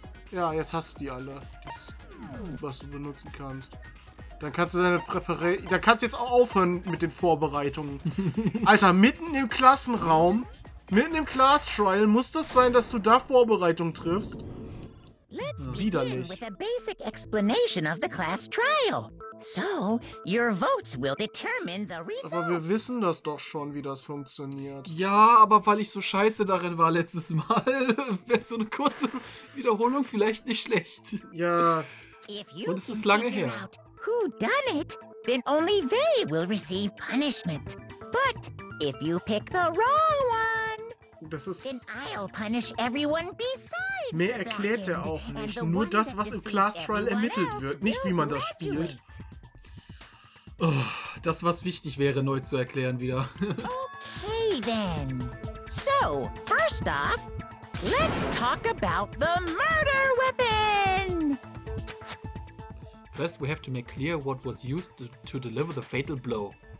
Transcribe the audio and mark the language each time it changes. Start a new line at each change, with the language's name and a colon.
German: Ja, jetzt hast du die alle. Das, was du benutzen kannst. Dann kannst du deine Präparation. Dann kannst du jetzt auch aufhören mit den Vorbereitungen. Alter, mitten im Klassenraum, mitten im Class Trial, muss das sein, dass du da Vorbereitungen triffst?
English: Let's begin with a basic explanation of the class trial. So, your votes will determine the results.
German: Aber wir wissen das doch schon, wie das funktioniert. Ja, aber weil ich so scheiße darin war letztes Mal, wäre so eine kurze Wiederholung vielleicht nicht schlecht. Ja. Und es ist lange her.
English: Who done it? Then only they will receive punishment. But if you pick the wrong one, then I'll punish everyone besides.
German: Mehr erklärt er auch nicht. Nur das, was im Class Trial ermittelt wird. Nicht, wie man das spielt. Oh, das, was wichtig wäre, neu zu erklären wieder.
English: Okay, then. So, first off, let's talk about the murder weapon. First, we have to make clear what was used to deliver the fatal blow.